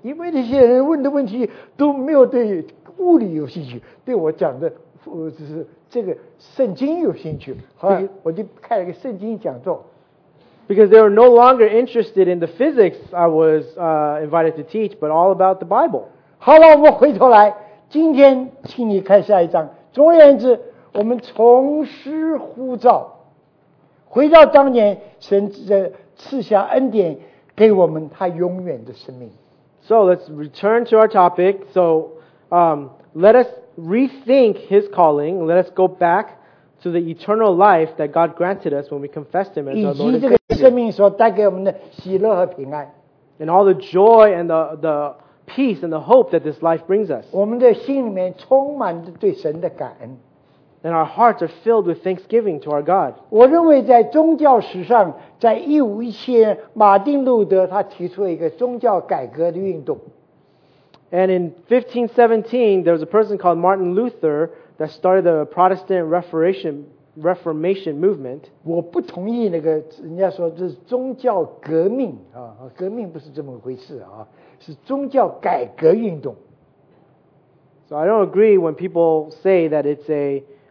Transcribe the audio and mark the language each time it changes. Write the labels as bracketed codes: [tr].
[zh] 因为那些人问的问题都没有对物理有兴趣，对我讲的就是这个圣经有兴趣。好，我就开了个圣经讲座。 [en] Because they were no longer interested in the physics I was invited to teach, but all about the Bible. [zh] 好了，我们回头来，今天请你看下一章。总而言之，我们重拾呼召，回到当年神赐下恩典给我们他永远的生命。 [en] So let's return to our topic. So let us rethink his calling. Let us go back to the eternal life that God granted us when we confessed him as our Lord and Savior. [zh] 以及这个生命所带给我们的喜乐和平安。 [en] And all the joy and the peace and the hope that this life brings us. [zh] 我们的心里面充满着对神的感恩。 [en] And our hearts are filled with thanksgiving to our God. [zh] 我认为在宗教史上，在1517年，马丁路德他提出了一个宗教改革的运动。 [en] And in 1517, there was a person called Martin Luther that started the Protestant Reformation movement. [zh] 我不同意那个人家说这是宗教革命啊，革命不是这么回事啊，是宗教改革运动。 [en] So I don't agree when people say that it's a